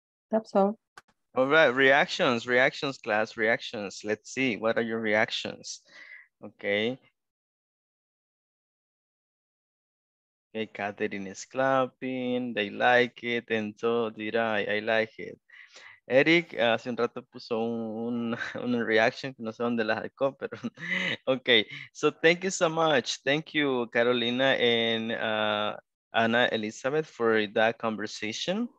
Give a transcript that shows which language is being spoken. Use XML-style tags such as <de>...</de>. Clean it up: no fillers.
<en>That's all. All right, reactions, reactions, class, reactions. Let's see, what are your reactions? Okay. Okay, Catherine is clapping, they like it, and so did I like it.</en> <es>Eric, hace un rato puso una reaction, no sé dónde la sacó, pero, okay.</es> <en>So thank you so much. Thank you, Carolina and Ana Elizabeth for that conversation.</en>